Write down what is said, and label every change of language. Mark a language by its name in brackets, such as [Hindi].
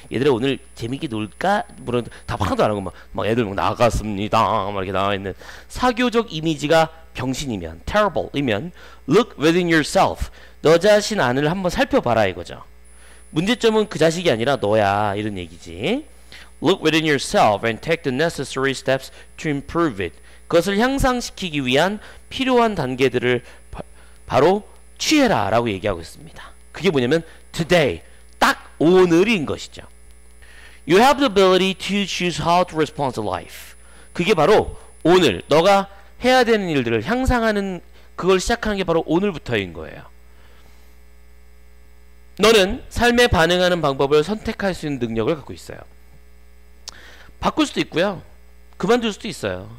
[Korean] 얘들아 오늘 재밌게 놀까? 물론 답 하나도 안 하고 막 애들 막 나갔습니다. 막 이렇게 나와 있는 사교적 이미지가 병신이면, terrible이면 [English] look within yourself. [Korean] 너 자신 안을 한번 살펴봐라 이거죠. 문제점은 그 자식이 아니라 너야 이런 얘기지. [English] Look within yourself and take the necessary steps to improve it. [Korean] 그것을 향상시키기 위한 필요한 단계들을 바로 취해라 라고 얘기하고 있습니다. 그게 뭐냐면 today, 딱 오늘인 것이죠. [English] You have the ability to choose how to respond to life. [Korean] 그게 바로 오늘, 너가 해야 되는 일들을 향상하는 그걸 시작하는 게 바로 오늘부터인 거예요. 너는 삶에 반응하는 방법을 선택할 수 있는 능력을 갖고 있어요. 바꿀 수도 있고요. 그만둘 수도 있어요.